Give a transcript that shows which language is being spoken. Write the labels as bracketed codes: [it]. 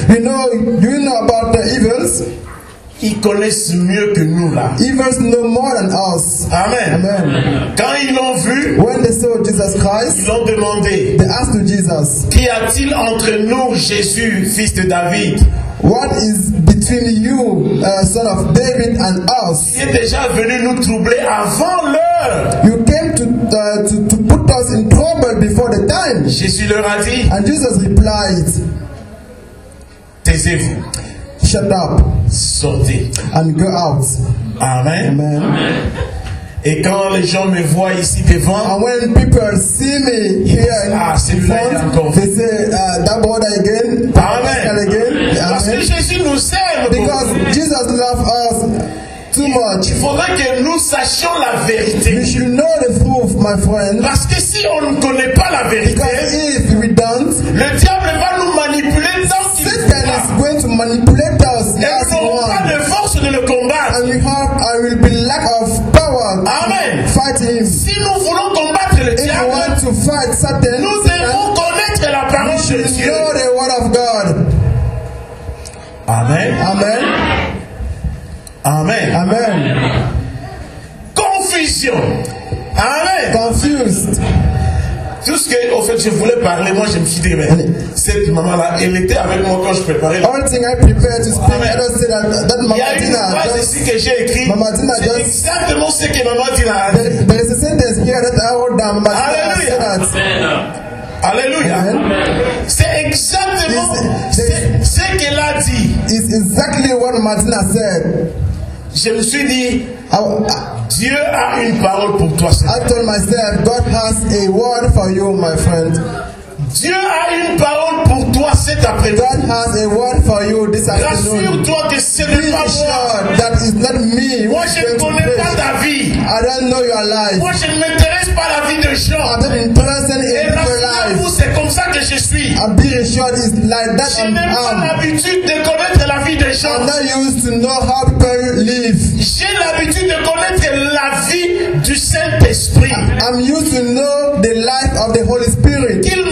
[en] You know about the evils. [fr] Ils connaissent mieux que nous là. [en] Evils know more than us. Amen. Amen. [fr] Quand ils l'ont vu, [en] when they saw Jesus Christ, [fr] ils l'ont demandé. [en] They asked to Jesus. [fr] Qu'y a-t-il entre nous, Jésus, fils de David? [en] What is between you, son of David, and us? [fr] Il est déjà venu nous troubler avant l'heure. [en] You came to put us in trouble before the time. [fr] Jésus leur a dit. [en] And Jesus replied. [fr] Taisez-vous. [en] Shut up. [fr] Sortez. [en] And go out. Amen. Amen. [fr] Et quand les gens me voient ici devant, [en] and when people see me here, they say that brother again. Amen. Again. [fr] Parce que Jésus nous aime. [en] Because Jesus loves us too much. [fr] Il faudrait que nous sachions la vérité. [en] We should know the truth, my friend. [fr] Parce que si on ne connaît pas la vérité, because if we don't, le diable va nous manipuler tant qu'il peut. [en] Satan is going to manipulate us. [fr] Et nous n'aurons pas de force de le combattre. [en] And I will be lack of power. Amen. Fighting him. [fr] Si nous voulons combattre le diable, [en] if we want to fight Satan, [fr] nous devons connaître la parole de Dieu. [en] We should know the word of God. Amen. Amen. Amen. Amen. Confusion. Amen. Confused. [fr] Tout ce que, au fait, je voulais parler, moi, je me suis dit, mais cette maman-là, elle était avec moi quand je préparais. [en] All thing I prepared to speak. Amen. I just said that Mama Tina. [fr] Il y a une phrase ici que j'ai écrite. Mama Tina. Exactement ce que Mama Tina a dit. [en] There is a sentence here that I wrote down. Mama Tina. Alléluia. Amen. Alléluia. Amen. [fr] C'est exactement ce qu'elle a dit. [en] It's exactly what Martina said. [fr] Je me suis dit, Dieu a une parole pour toi. [en] I told myself, God has a word for you, my friend. [fr] Dieu a une parole pour toi cet après-midi. [en] God has a word for you this afternoon. [fr] Rassure-toi que ce n'est pas moi. [en] That is not me. [fr] Moi, je ne connais pas ta vie. [en] I don't know your life. [fr] Moi, je ne m'intéresse pas à la vie de Jean. [en] I'm not interested in your life. [fr] Et rassurez-vous, c'est comme ça que je suis. [en] I'm being assured it's like that. [fr] Je n'ai pas l'habitude de connaître la vie de Jean. [en] I'm not used to know how people live. [fr] J'ai l'habitude de connaître la vie du Saint-Esprit. [en] I'm used to know the life of the Holy Spirit.